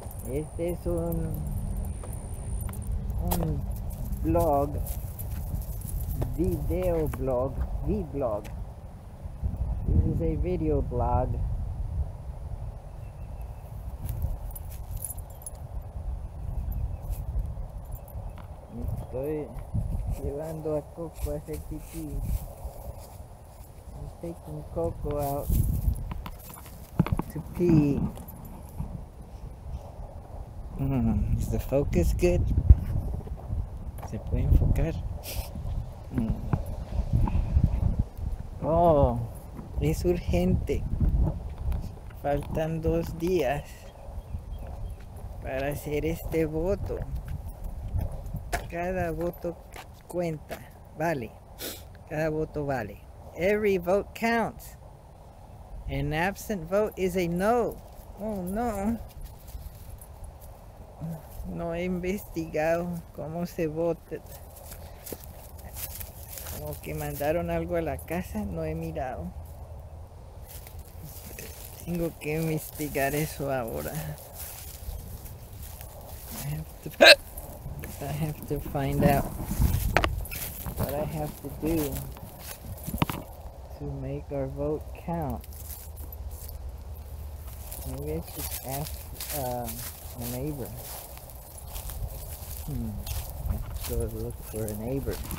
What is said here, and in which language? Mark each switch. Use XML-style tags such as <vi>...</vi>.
<es>Este es un blog, video blog, vlog.</es> <en>This is a video blog.</en> <es>Estoy llevando a Coco a hacer pipí.</es> <en>I'm taking Coco out to pee. Is the focus good?</en> <es>¿Se puede enfocar? Oh, es urgente. Faltan 2 días para hacer este voto. Cada voto cuenta, vale. Cada voto vale.</es> <en>Every vote counts. An absent vote is a no. Oh, no.</en> <es>No he investigado cómo se vota. Como que mandaron algo a la casa, no he mirado. Tengo que investigar eso ahora.</es> <en>I have to find out what I have to do to make our vote count. Maybe I should ask a neighbor. I have to go look for a neighbor.</en>